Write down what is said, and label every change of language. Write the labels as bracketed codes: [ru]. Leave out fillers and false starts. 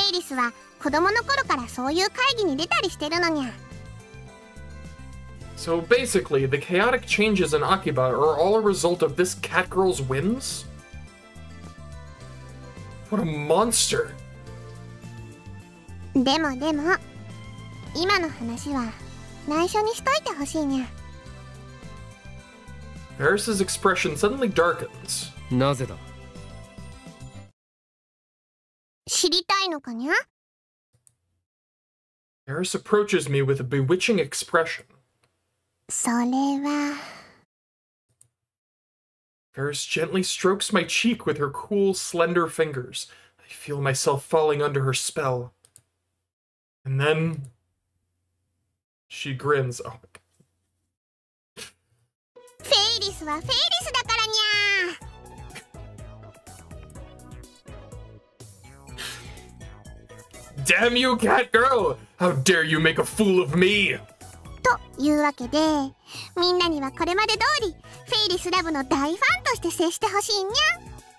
[ja] フェイリスは子供の頃からそういう会議に出たりしてるのにゃ。 [en] So basically, the chaotic changes in Akiba are all a result of this cat girl's whims? What a monster! [ja] でもでも、今の話は内緒にしといてほしいにゃ。 [en] Paris' expression suddenly darkens. [ja] なぜだ？知りたいのかにゃ？ [en] Paris approaches me with a bewitching expression. [ja] それは… [en] Ferris gently strokes my cheek with her cool, slender fingers. I feel myself falling under her spell. And then… She grins. Oh my [ja] god. フェイリスはフェイリスだからにゃ。 [en] Damn you, cat girl! How dare you make a fool of me! [ja] というわけで、みんなにはこれまで通り、フェイリスラブの大ファンとして接してほしいにゃ。